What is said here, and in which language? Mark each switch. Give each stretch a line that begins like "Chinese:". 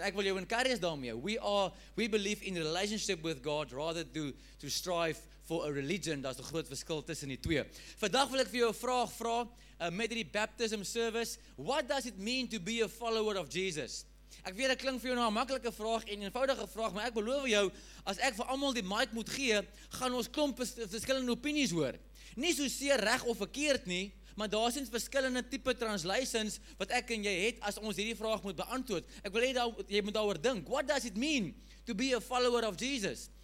Afrikaans: Ek wil jou encourage daarmee.
English: We believe in relationship with God rather to strive for a religion.
Afrikaans: Daar is 'n groot verskil tussen die twee. Vandag wil ek vir jou 'n vraag vra met die baptism service.
English: What does it mean to be a follower of Jesus?
Afrikaans: Ek weet, dit klink vir jou nou 'n maklike vraag en eenvoudige vraag, maar ek beloof jou, as ek vir almal die mic moet gee, gaan ons klomp verskillende opinies hoor. Nie so seer reg of verkeerd nie, maar daar is verskillende type translations wat ek en jy het as ons hierdie vraag moet beantwoord. Ek wil hê jy moet daaroor dink.
English: What does it mean to be a follower of Jesus?